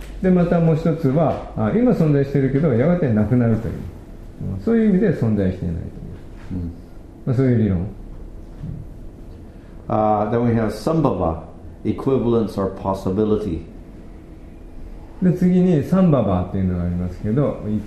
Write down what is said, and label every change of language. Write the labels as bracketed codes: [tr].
[ja] でまたもう一つは今存在してるけどやがてなくなるという、そういう意味で存在していないという、まあ、そういう理論。 [en] Then we have sambhava, equivalence or possibility. [ja] で次にサンババっていうのがありますけど、